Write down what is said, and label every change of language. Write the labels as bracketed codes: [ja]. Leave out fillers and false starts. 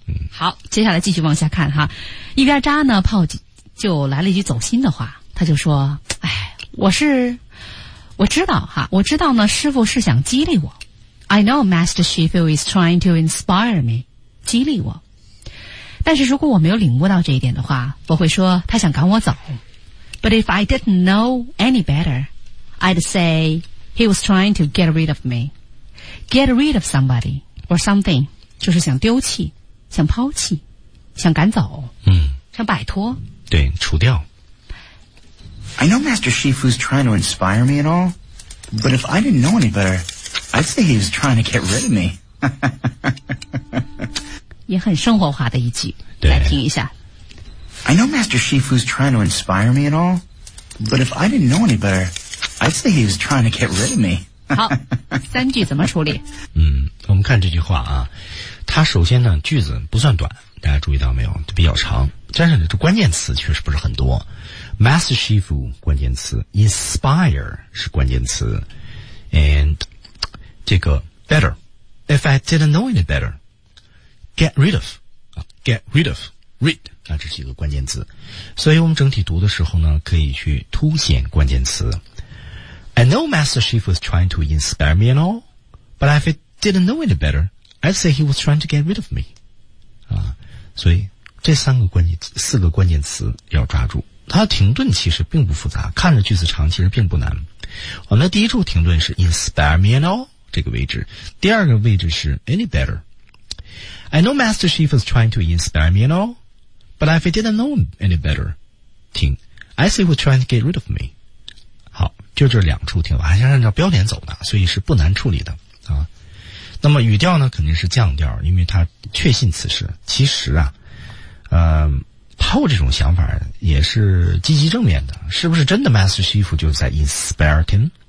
[zh] 好，接下来继续往下看哈。一边扎呢，炮就来了一句走心的话，他就说：“哎，我知道呢，师傅是想激励我。 [en] I know Master Shifu is trying to inspire me， [zh] 激励我。但是如果我没有领悟到这一点的话，我会说他想赶我走。 [en] But if I didn't know any better, I'd say。” He was trying to get rid of me. Get rid of somebody or something. [zh] 就是想丢弃，想抛弃，想赶走，想摆脱。对，除掉。 [en] I know Master Shifu's trying to inspire me and all, but if I didn't know any better, I'd say he was trying to get rid of me. [zh] 也很生活化的一句，对，来听一下。 [en] I know Master Shifu's trying to inspire me and all, but if I didn't know any better,I'd say he was trying to get rid of me. [zh] 好，三句怎么处理？我们看这句话啊，它首先呢句子不算短，大家注意到没有？就比较长，但是这关键词确实不是很多。 Master Shifu 关键词 ，inspire 是关键词 ，and 这个 better. [en] If I didn't know any better, get rid of. Get rid of. [zh] Read 啊，这是一个关键词，所以我们整体读的时候呢，可以去凸显关键词。 [en] I know Master Shifu is trying to inspire me and all, but if I didn't know any better, I'd say he was trying to get rid of me. [zh] 啊，所以这三个关键词，四个关键词要抓住。它停顿其实并不复杂，看着句子长，其实并不难。我们的第一处停顿是 [en] inspire me and all [zh] 这个位置，第二个位置是 [en] any better. I know Master Shifu is trying to inspire me and all, but if I didn't know any better, 停 I see who's trying to get rid of me. [zh] 好，就这两处停顿，还是按照标点走的，所以是不难处理的啊。那么语调呢，肯定是降调，因为他确信此事。其实啊，Paul 这种想法也是积极正面的，是不是真的 Master Shifu 就在 inspire him？